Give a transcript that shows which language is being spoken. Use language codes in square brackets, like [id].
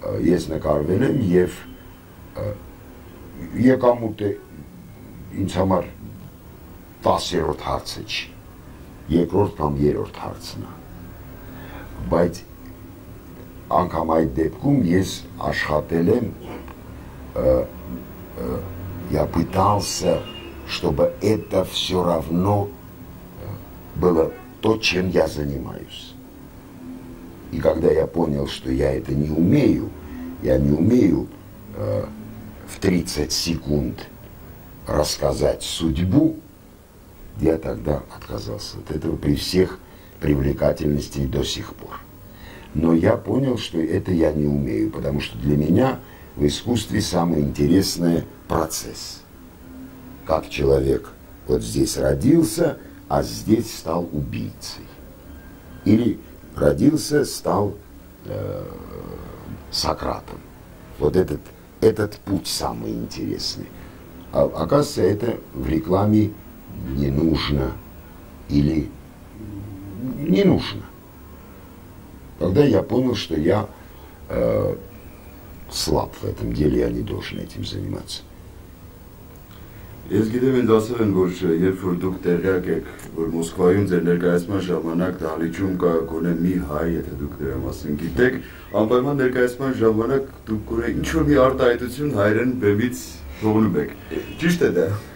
[hy] ես նկարվել եմ եւ եկամուտը ինձ համար 10-րդ հարցը չի, երկրորդ կամ երրորդ հարցն է, բայց անգամ այդ դեպքում ես աշխատել եմ, [ru] я пытался, чтобы это всё равно было то, чем я занимаюсь. И когда я понял, что я это не умею, я не умею в 30 секунд рассказать судьбу, я тогда отказался от этого при всех привлекательностей до сих пор. Но я понял, что это я не умею, потому что для меня в искусстве самое интересное – процесс. Как человек вот здесь родился, а здесь стал убийцей. Или родился, стал Сократом. Вот этот путь самый интересный. А, оказывается, это в рекламе не нужно. Или не нужно. Тогда я понял, что я слаб в этом деле, я не должен этим заниматься. [hy] Ես գիտեմ ինձ ասել են, որ երբ որ դուք տեղյակ եք, որ Մոսկվայում ձեր ներկայացման ժամանակ դահլիճում կա գոնե մի հայ, եթե դուք դրա մասին գիտեք, անպայման ներկայացման ժամանակ դուք գոնե ինչ-որ մի արտահայտություն հայերեն բեմից թողնում եք, ճիշտ է դա?